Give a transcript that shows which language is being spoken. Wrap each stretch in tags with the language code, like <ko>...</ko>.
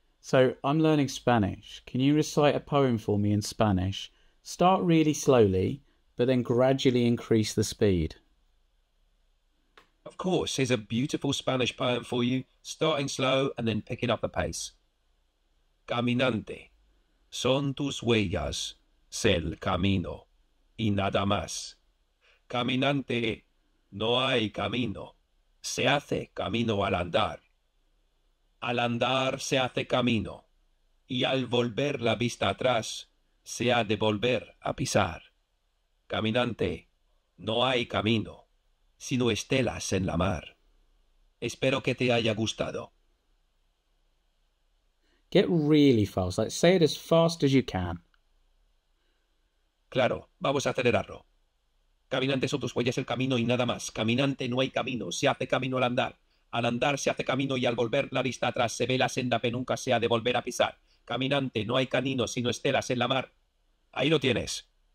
<en>so I'm learning Spanish. Can you recite a poem for me in Spanish? Start really slowly, but then gradually increase the speed. Of course, here's a beautiful Spanish poem for you, starting slow and then picking up the pace.</en> <es>Caminante, son tus huellas, el camino, y nada más. Caminante, no hay camino, se hace camino al andar. Al andar se hace camino, y al volver la vista atrás, se ha de volver a pisar. Caminante, no hay camino, sino estelas en la mar. Espero que te haya gustado.</es> <en>Get really fast, like say it as fast as you can.</en> <es>Claro, vamos a acelerarlo. Caminante, son tus huellas el camino y nada más. Caminante, no hay camino, se hace camino al andar. Al andar se hace camino y al volver la vista atrás se ve la senda que nunca se ha de volver a pisar. Caminante, no hay camino sino estelas en la mar. Ahí lo tienes.</es>